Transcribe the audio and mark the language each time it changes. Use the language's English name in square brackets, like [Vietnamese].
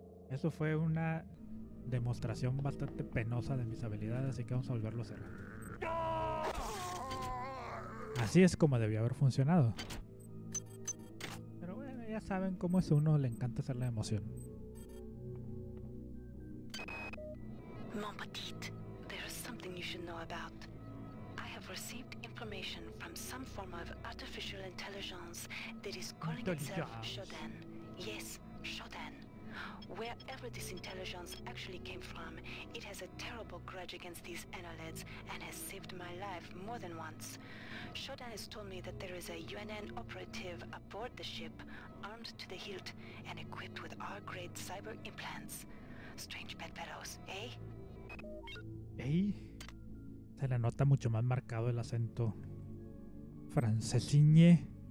[Spanish] Eso fue una demostración bastante penosa de mis habilidades, así que vamos a volverlo a cerrar. Así es como debió haber funcionado. Pero bueno, ya saben cómo es, uno le encanta hacer la emoción. [French] Mon petit, [English] there is something you should know about. I have received information from some form of artificial intelligence that is calling itself Shoden. Yes, Shoden. Wherever this intelligence actually came from, it has a terrible grudge against these annelids and has saved my life more than once. Shoden has told me that there is a UNN operative aboard the ship, armed to the hilt and equipped with R-grade cyber implants. Strange bedfellows, eh? ¿Eh? [Spanish] Se le nota mucho más marcado el acento francesiñe.